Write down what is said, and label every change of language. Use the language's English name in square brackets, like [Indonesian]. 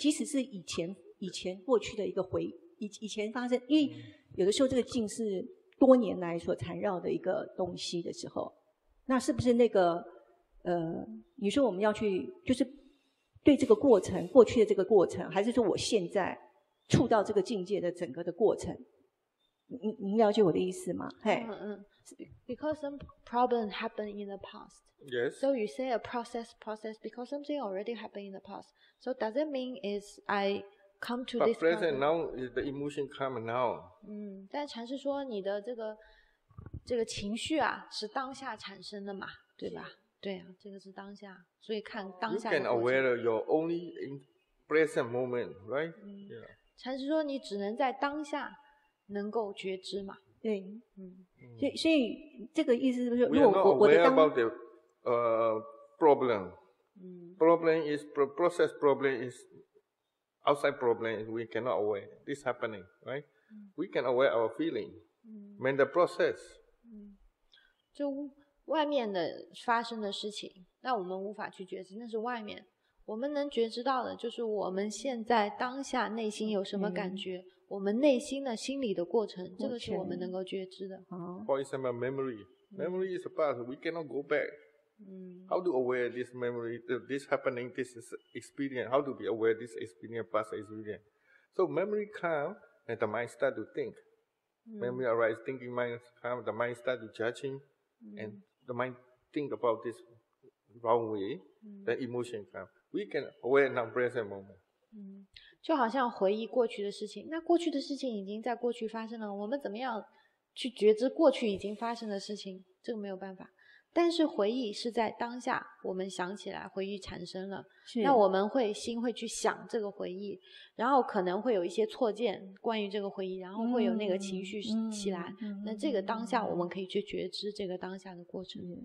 [Chinese] 即使是以前过去的一个回以前发生，因为有的时候这个境是多年来所缠绕的一个东西的时候，那是不是那个你说我们要去就是对这个过程，过去的这个过程，还是说我现在触到这个境界的整个的过程，您了解我的意思吗？ [English] Because some problem happened in the past. Yes. So you say a process because something already happened in the past. So does it mean is I... Come to but this present now the emotion come now. [Chinese] 但禅师说你的这个情绪啊是当下产生的嘛，对吧？对啊，这个是当下，所以看当下的过程。 [English] You can aware your only in present moment, right? Yeah. [Chinese] 禅师说你只能在当下能够觉知嘛。对，所以这个意思就是，如果我的当。 [English] We are not aware about the problem. Problem is process. Problem is. Outside problem, we cannot aware. This happening, right? We can aware our feeling. Mean the process. [Chinese] 就外面的发生的事情，那我们无法去觉知，那是外面。我们能觉知到的，就是我们现在当下内心有什么感觉，我们内心的心理的过程，这个是我们能够觉知的。 [English] For example, memory. Memory is a past. We cannot go back. How to aware this memory, this happening, this is experience? How to be aware this experience, past experience? So memory come and the mind start to think. memory arises, thinking mind comes, the mind starts judging, and the mind thinks about this wrong way, then emotion comes. We can aware now present moment. [Chinese] 就好像回忆过去的事情，那过去的事情已经在过去发生了，我们怎么样去觉知过去已经发生的事情，这个没有办法。但是回忆是在当下，我们想起来回忆产生了，那我们会心会去想这个回忆，然后可能会有一些错见关于这个回忆，然后会有那个情绪起来，那这个当下我们可以去觉知这个当下的过程。